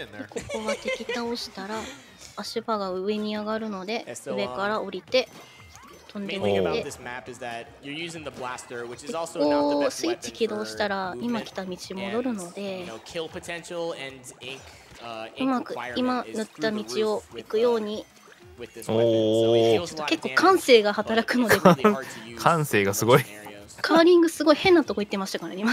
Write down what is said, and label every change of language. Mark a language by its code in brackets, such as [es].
[ja] ここは敵倒したら足場が上に上がるので上から降りて [en] Mainly about this map is that you're using the blaster, which is also not the best weapon for movement and, you know, kill potential and ink requirement is through the roof with this weapon. So it feels like damage, but it's really hard to use. [ja] 感性がすごい。カーリングすごい変なとこ行ってましたからね、今。